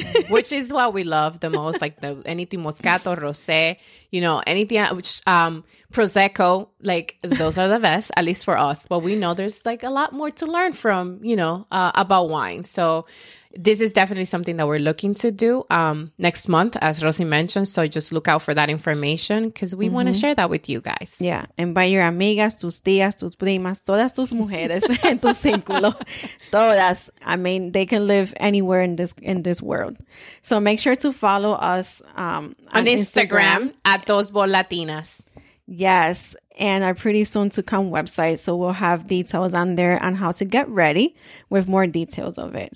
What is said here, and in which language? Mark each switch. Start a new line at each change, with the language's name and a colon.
English: Which is what we love the most, like the anything Moscato, Rosé, you know, anything, which Prosecco, like those are the best, at least for us. But we know there's like a lot more to learn from, you know, about wine. So this is definitely something that we're looking to do next month, as Rosie mentioned. So just look out for that information because we want to share that with you guys. Yeah. And by your
Spanish: amigas, tus tías, tus primas, todas tus mujeres en tu círculo. Todas.
English: I mean, they can live anywhere in this world. So make sure to follow us on Instagram at Dos Bol Latinas. Yes, and our pretty soon to come website. So we'll have details on there on how to get ready with more details of it.